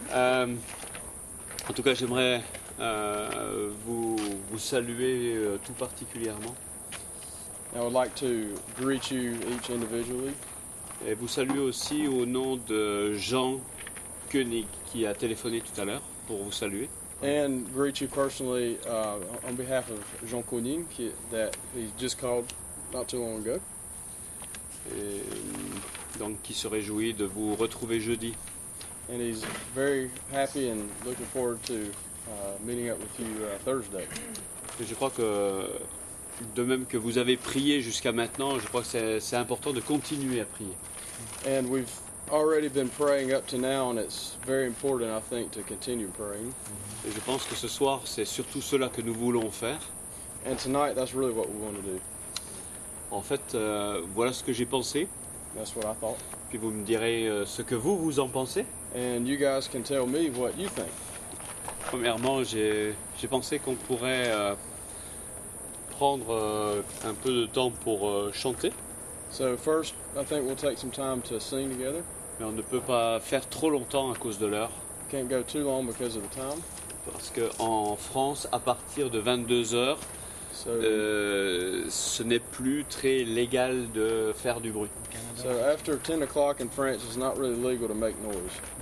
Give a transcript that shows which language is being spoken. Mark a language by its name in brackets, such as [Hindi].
[French] En tout cas, j'aimerais vous saluer tout particulièrement. [English] I would like to greet you each individually. [French] Et vous saluer aussi au nom de Jean Koenig, qui a téléphoné tout à l'heure pour vous saluer. [English] And greet you personally on behalf of Jean Koenig that he just called not too long ago. [French] Et donc qui se réjouit de vous retrouver jeudi. [English] And he's very happy and looking forward to meeting up with you Thursday. [French] Et je crois que de même que vous avez prié jusqu'à maintenant, je crois que c'est important de continuer à prier. [English] And we've already been praying up to now, and it's very important, I think, to continue praying. [French] Et je pense que ce soir, c'est surtout cela que nous voulons faire. [English] And tonight, that's really what we want to do. [French] En fait, voilà ce que j'ai pensé. [English] That's what I thought. [French] Puis vous me direz ce que vous en pensez. [English] And you guys can tell me what you think. [French] Premièrement, j'ai pensé qu'on pourrait prendre un peu de temps pour chanter. [English] So first, I think we'll take some time to sing together. [French] Mais on ne peut pas faire trop longtemps à cause de l'heure. [English] Can't go too long because of the time. [French] Parce qu'en France, à partir de 22h, ce n'est plus très légal de faire du bruit. [English] So after 10 o'clock in France, it's not really legal to make noise.